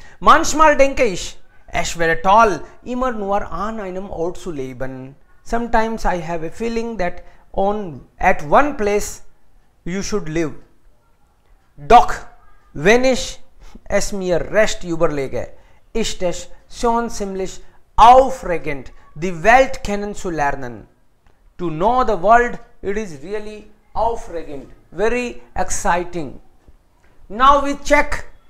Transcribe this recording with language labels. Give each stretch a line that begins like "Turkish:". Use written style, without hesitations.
German: Manchmal denke ich, es wäre toll, immer nur an einem Ort zu leben.
English: Sometimes I have a feeling that at one place you should live.
German: Doch, wenn ich es mir recht überlege, ist es schon ziemlich aufregend, die Welt kennenzulernen.
English: To know the world, it is really aufregend, very exciting. Now we check